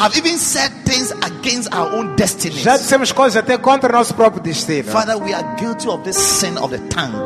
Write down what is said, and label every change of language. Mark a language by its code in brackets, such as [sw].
[en] Have even said things against our own destinies. [pt] Já dissemos coisas até contra nosso próprio destino. [en] Father, we are guilty of this sin of the tongue.